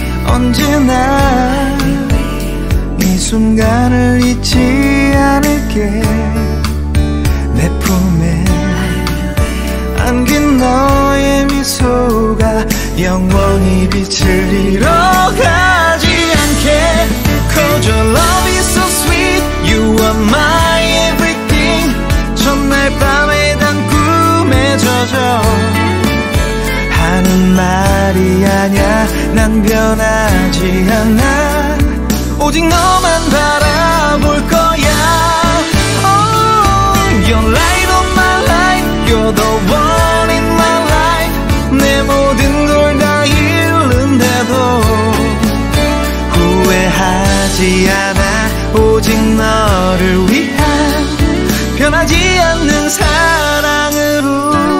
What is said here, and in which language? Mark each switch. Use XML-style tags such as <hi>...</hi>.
<ko>언제나 이 순간을 잊지 않을게 내 품에 안긴 너의 미소가 영원히 빛을 잃어가지 않게.</ko> <en>'Cause your love is so sweet, you are my everything.</en> <ko>첫날 밤에 단 꿈에 젖어 하는 말이 아냐, 난 변하지 않아. 오직 너만 바라볼 거야.</ko> <en>Oh, your light on my life, you're the one in my life.</en> <ko>내 모든 걸 다 잃는데도 후회하지 않아. 오직 너를 위한 변하지 않는 사랑으로.</ko>